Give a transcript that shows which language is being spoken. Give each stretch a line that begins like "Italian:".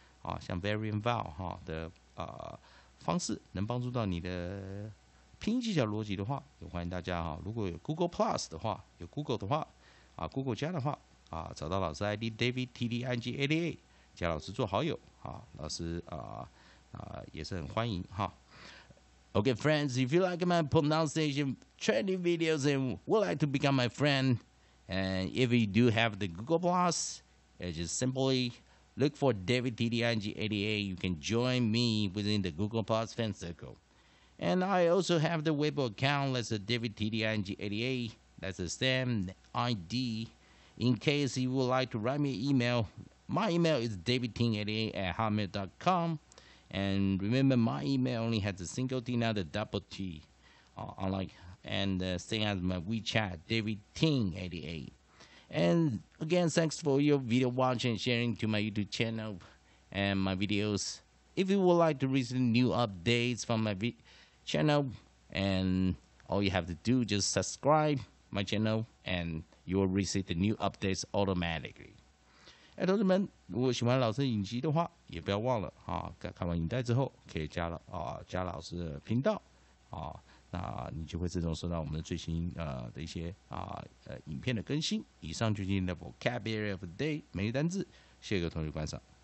Chinese: 啊，像 variant vowel 哈的方式，能帮助到你的拼音技巧逻辑的话，也欢迎大家哈、啊。如果有 Google Plus 的话，有 Google 的话啊 ，Google 加的话啊，找到老师 ID David T D I G A D A， 加老师做好友啊，老师也是很欢迎哈。
English: 啊Okay, friends, if you like my pronunciation training videos and would like to become my friend, and if you do have the Google Plus, just simply look for David TDING88. You can join me within the Google Plus fan circle. And I also have the Weibo account, that's David TDING88. That's the same ID. In case you would like to write me an email, my email is davidting88@hotmail.com. And remember, my email only has a single T, not a double T. Same as my WeChat, DavidTing88. And again, thanks for your video watching and sharing to my YouTube channel and my videos. If you would like to receive new updates from my channel, and all you have to do, just subscribe my channel, and you will receive the new updates automatically.
Chinese: 哎，同志们，如果喜欢老师的影集的话，也不要忘了啊！看完影带之后，可以加老师的频道啊，那你就会自动收到我们的最新的一些影片的更新。以上就是今天的 vocabulary of the day 每日单字，谢谢各位同学观赏。